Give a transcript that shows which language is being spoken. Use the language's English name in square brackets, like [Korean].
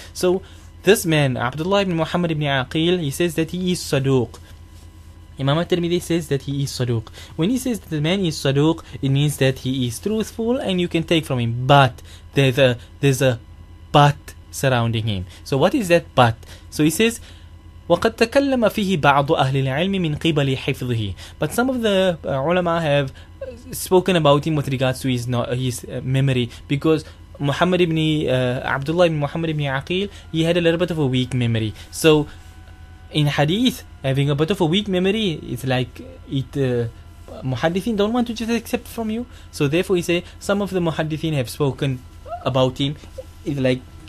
[English] So this man, Abdullah ibn Muhammad ibn Aqil, he says that he is saduq. Imam al-Tirmidhi says that he is saduq. When he says that the man is saduq, it means that he is truthful and you can take from him. But there's a but surrounding him. So what is that but? So he says, [Arabic] وَقَدْ تَكَلَّمَ فِيهِ بَعْضُ أَهْلِ الْعِلْمِ مِنْ قِبَلِ حِفْظِهِ. [English] But some of the ulama have spoken about him with regards to his memory. Because Muhammad ibn Abdullah ibn Muhammad ibn Aqil, he had a little bit of a weak memory. So in hadith, having a bit of a weak memory, it's like muhaddithin don't want to just accept from you. So therefore he say some of the muhaddithin have spoken about him, it's like